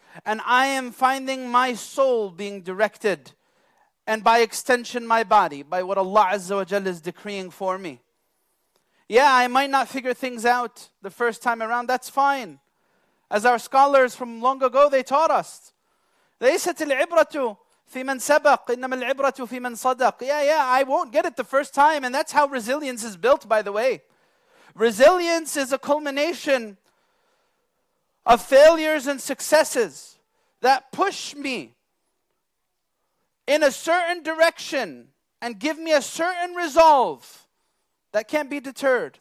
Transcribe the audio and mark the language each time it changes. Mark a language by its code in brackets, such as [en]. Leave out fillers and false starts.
[en] And I am finding my soul being directed, and by extension my body, by what Allah Azza wa Jalla is decreeing for me. Yeah, I might not figure things out the first time around. That's fine. As our scholars from long ago, they taught us. [ar] ليست العبرة في من سبق إنما العبرة في من صدق. [en] Yeah, I won't get it the first time. And that's how resilience is built, by the way. Resilience is a culmination of failures and successes that push me in a certain direction and give me a certain resolve that can't be deterred.